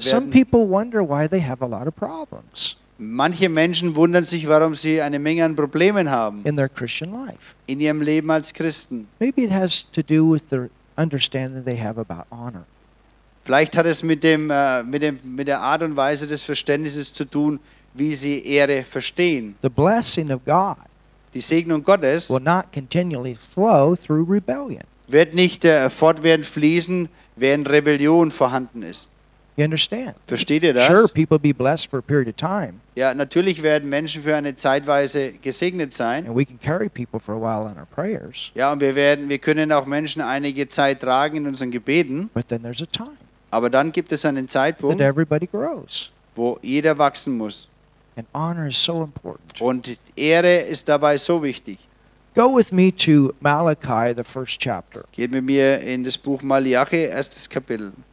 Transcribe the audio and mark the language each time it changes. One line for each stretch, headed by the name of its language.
English: Some people wonder why they have a lot of problems.
German: Manche Menschen wundern sich, warum sie eine Menge an Problemen haben
English: in their Christian life.
German: In ihrem Leben als Christen.
English: Maybe it has to do with the understanding they have about honor.
German: Vielleicht hat es mit der Art und Weise des Verständnisses zu tun, wie sie Ehre verstehen.
English: The blessing of God,
German: die Segnung Gottes,
English: will not continually flow through rebellion.
German: Wird nicht fortwährend fließen, während Rebellion vorhanden ist.
English: You understand?
German: Versteht ihr das?
English: Sure, people be blessed for a period of time.
German: Ja, natürlich werden Menschen für eine Zeitweise gesegnet sein.
English: And we can carry people for a while in our prayers.
German: Ja, und wir können auch Menschen einige Zeit tragen in unseren Gebeten.
English: But then there's a time.
German: Aber dann gibt es einen Zeitpunkt,
English: that everybody grows.
German: Wo jeder wachsen muss.
English: And honor is so important.
German: Und Ehre ist dabei so wichtig.
English: Go with me to Malachi, the first chapter.
German: Geht mit mir in das Buch Malachi, erstes Kapitel.